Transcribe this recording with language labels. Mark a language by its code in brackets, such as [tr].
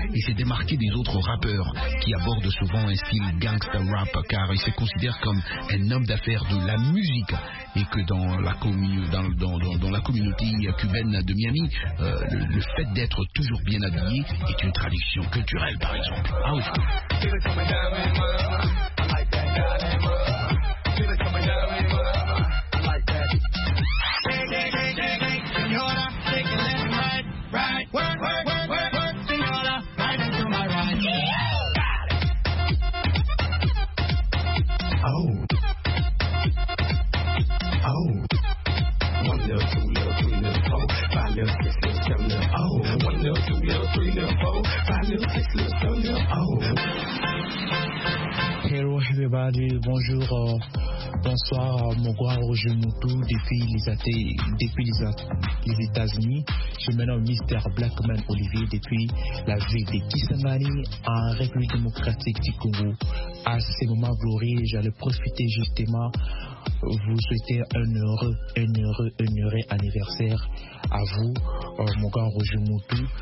[fr] Et s'est démarqué des autres rappeurs qui abordent souvent un style gangsta rap, car il se considère comme un homme d'affaires de la musique. Et que dans la communauté cubaine de Miami, le fait d'être toujours bien habillé est une tradition culturelle, par exemple. Ah oui. [en] Feel it coming down, man. I like that down, man. Feel it coming down, man. I like that. Shake, shake, shake, shake, señora, shake it left and right, right. Work, work, work, work, work, señora, right into my right. Yeah, got it. Oh. Oh. One little, two little, three little, four, five little, six little. Oh, one little, two little, three little, four, five little, six little, seven little, oh. Hello everybody, bonjour. [fr] Bonsoir, mon grand Roger Muntu depuis les États-Unis. Je me nomme Mr. Blackman Olivier depuis la ville de Kisangani en République démocratique du Congo. À ce moment glorieux, j'allais profiter justement vous souhaiter un heureux anniversaire à vous, mon grand Roger Muntu.